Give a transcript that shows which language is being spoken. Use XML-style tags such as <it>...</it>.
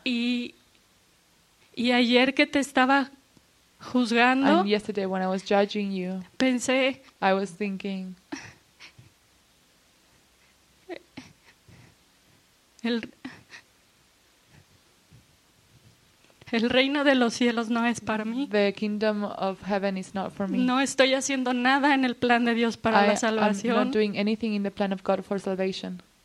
<es>Y ayer que te estaba juzgando.</es> <en>And yesterday when I was judging you.</en> <es>Pensé.</es> <en>I was thinking.</en> <es>El reino de los cielos no es para mí.</es> <en>The kingdom of heaven is not for me.</en> <es>No estoy haciendo nada en el plan de Dios para la salvación.</es> <en>I'm not doing anything in the plan of God for salvation.</en>